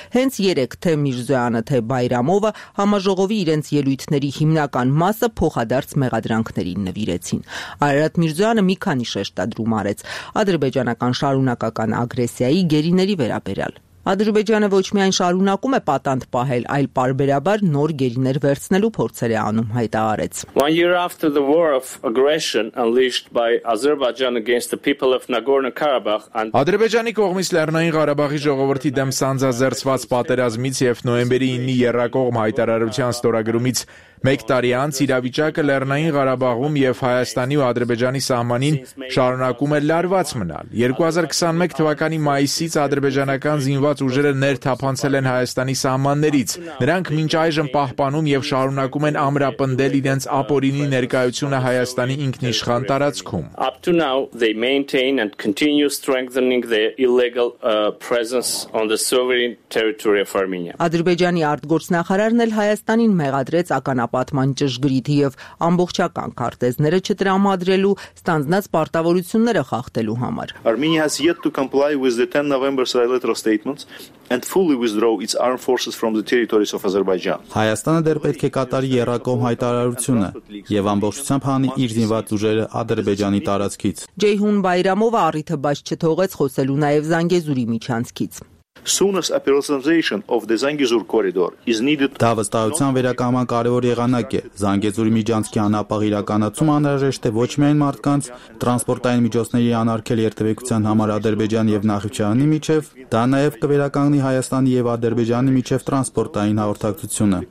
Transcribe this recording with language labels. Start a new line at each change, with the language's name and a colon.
Armenian: Հենց 3 թե Միրզոյանը, թե Բայրամովը համաժողովի իրենց ելույթների հիմնական մասը փոխադարձ մեղադրանքներին նվիրեցին։ Արարատ Միրզոյանը մի քանի շեշտադրում արեց ադրբեջանական շարունակական ագրեսիայի գերիների վերաբերյալ։ Ադրբեջանը ոչ միայն շարունակում է պատանդ պահել, այլ պարբերաբար նոր գերիներ վերցնելու փորձեր է անում, հայտարարեց։
English: One year after the war of aggression unleashed by Azerbaijan against the people of Nagorno-Karabakh and
Armenian: Ադրբեջանի կողմից Լեռնային Ղարաբաղի ժողովրդի դեմ սանձազերծված պատերազմից եւ նոեմբերի 9-ի երրակողմ հայտարարության ստորագրումից 1 տարի անց իրավիճակը Լեռնային Ղարաբաղում եւ Հայաստանի ու Ադրբեջանի սահմանին շարունակում է լարված մնալ։ 2021 թվականի մայիսից ադրբեջանական զինված ուժերը ներթափանցել են Հայաստանի սահմաններից։ Նրանք մինչ այժմ պահպանում եւ շարունակում են ամրապնդել իրենց ապօրինի ներկայությունը Հայաստանի ինքնիշխան տարածքում։
English: Up to now they maintain and continue strengthening their illegal presence on the sovereign territory of Armenia։
Armenian: Ադրբեջանի արտգործնախարարն էլ Հայաստանին մեղադրեց ականապատման ճշգրիտ եւ ամբողջական քարտեզները չտրամադրելու ստանդնած պարտավորությունները խախտելու համար։
English: Armenia has yet to comply with the 10 November trilateral statements and fully withdraw its armed forces from the territories of Azerbaijan.
Armenian: Հայաստանը դեռ պետք է կատարի երրակողմ հայտարարությունը եւ ամբողջությամբ հանի իր զինված ուժերը Ադրբեջանի տարածքից։ Ջեյհուն Բայրամովը առիթը բաց չթողեց խոսելու նաեւ Զանգեզուրի միջանցքից։
English: Soonas operationalization of the Zangezur corridor is needed.
Armenian: Դա վստահության վերականգնման կարևոր եղանակ է։ Զանգեզուրի միջանցքի անապաղ իրականացումը անհրաժեշտ է ոչ միայն մարդկանց տրանսպորտային միջոցների անարգել երթևեկության համար Ադրբեջան եւ Նախիջևանի միջև, դա նաեւ կվերականգնի Հայաստանի եւ Ադրբեջանի միջև տրանսպորտային հաղորդակցությունը։